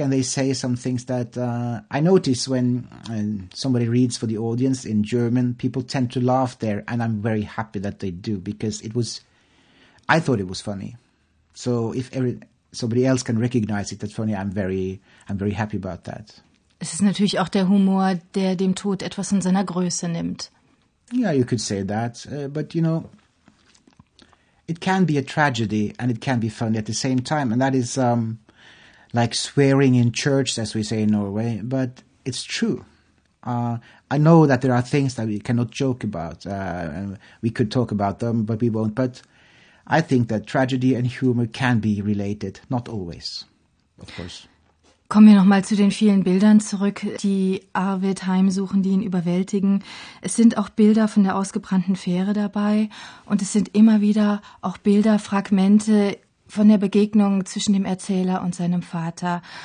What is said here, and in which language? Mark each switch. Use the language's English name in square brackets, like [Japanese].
[English] And they say some things that I notice when somebody reads for the audience in German, people tend to laugh there. And I'm very happy that they do, because I thought it was funny. So if somebody else can recognize it, that's funny. I'm very happy about that. [German] Es ist natürlich auch der Humor, der dem Tod etwas in seiner Größe nimmt. [English] Yeah, you could say that. But, you know, it can be a tragedy and it can be funny at the same time. And that is like swearing in church, as we say in Norway. But it's true. I know that there are things that we cannot joke about. We could talk about them, but we won't. But I think that tragedy and humor can be related. Not always, of course. [German] Kommen wir nochmal zu den vielen Bildern zurück, die Arvid heimsuchen, die ihn überwältigen. Es sind auch Bilder von der ausgebrannten Fähre dabei und es sind immer wieder auch Bilder, Fragmente von der Begegnung zwischen dem Erzähler und seinem Vater.